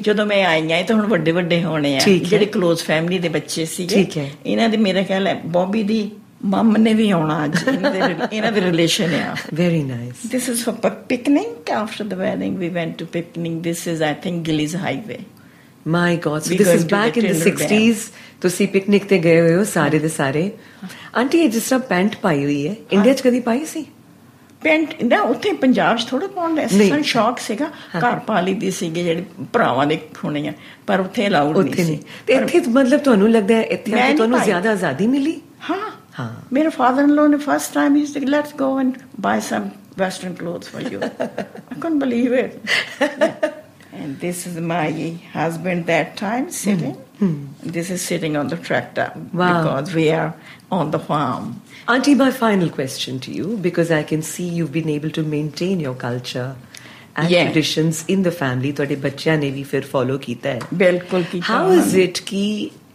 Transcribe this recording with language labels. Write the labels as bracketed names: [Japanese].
[Punjabi] ਜਦੋਂ ਮੈਂ ਆਈ ਆਏ ਤਾਂ ਹੁਣ ਵੱਡੇ ਵੱਡੇ ਹੋਣੇ ਆ ਜਿਹੜੇ ਕਲੋਜ਼ ਫੈਮਿਲੀ ਦੇ ਬੱਚੇ ਸੀਗੇ ਠੀਕ ਹੈ ਇਹਨਾਂ ਦੇ ਮੇਰਾ ਖਿਆਲ ਹੈ ਬੌਬੀ ਦੀ ਮੰਮ ਨੇ ਵੀ ਆਉਣਾ ਅੱਜ ਇਹਨਾਂ ਦੇ ਰਿਲੇਸ਼ਨ ਆ [English] Very nice this is for picnic after the wedding we went to picnic this is I think Gillies highway My God, so this is back in the 60s. [Punjabi] ਤੁਸੀਂ ਪਿਕਨਿਕ ਤੇ ਗਏ ਹੋਏ ਹੋ ਸਾਰੇ ਦੇ ਸਾਰੇ ਆਂਟੀ ਜਿਸ ਤਰ੍ਹਾਂ ਪੈਂਟ ਪਾਈ ਹੋਈ ਹੈ ਇੰਡੀਆ ਚ ਕਦੀ ਪਾਈ ਸੀ ਪੈਂਟ ਨਾ ਉੱਥੇ ਪੰਜਾਬ ਚ ਥੋੜੇ ਪਾਉਂਦੇ ਸੀ ਸਨ ਸ਼ੌਕ ਸੀਗਾ ਘਰ ਪਾ ਲਈ ਦੀ ਸੀਗੇ ਜਿਹੜੇ ਭਰਾਵਾਂ ਦੇ ਹੋਣੇ ਆ ਪਰ ਉੱਥੇ ਅਲਾਊਡ ਨਹੀਂ ਸੀ ਤੇ ਇੱਥੇ ਮਤਲਬ ਤੁਹਾਨੂੰ ਲੱਗਦਾ ਹੈ ਇੱਥੇ ਤੁਹਾਨੂੰ ਜ਼ਿਆਦਾ ਆਜ਼ਾਦੀ ਮਿਲੀ ਹਾਂ ਮੇਰੇ ਫਾਦਰ ਇਨ ਲਾਅ ਨੇ [English] First time ਹੀ said let's go and buy some western clothes for you I can't believe it And this is my husband that time sitting. This is sitting on the tractor because we are on the farm. Auntie, my final question to you, because I can see you've been able to maintain your culture and traditions in the family. [Punjabi] Tode bachcha ne vi fir follow kita hai. Bilkul kita. [English] How is it [Punjabi] ki...